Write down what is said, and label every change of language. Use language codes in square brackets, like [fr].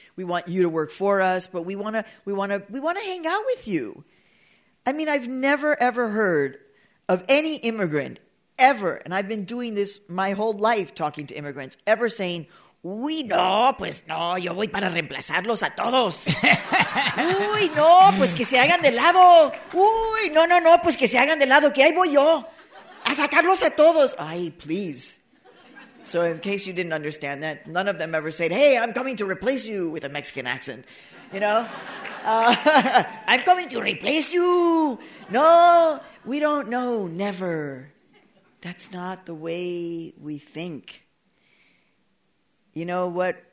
[en] We want you to work for us. But we want to hang out with you. I mean, I've never, ever heard of any immigrant ever, and I've been doing this my whole life talking to immigrants, ever saying, [es] "Uy, no, pues no, yo voy para reemplazarlos a todos." "Uy, no, pues que se hagan de lado. Uy, no, no, no, pues que se hagan de lado, que ahí voy yo a sacarlos a todos." [en] Ay, please. So in case you didn't understand that, none of them ever said, "Hey, I'm coming to replace you," with a Mexican accent, you know? "I'm coming to replace you." No, we don't know, never. That's not the way we think. You know what?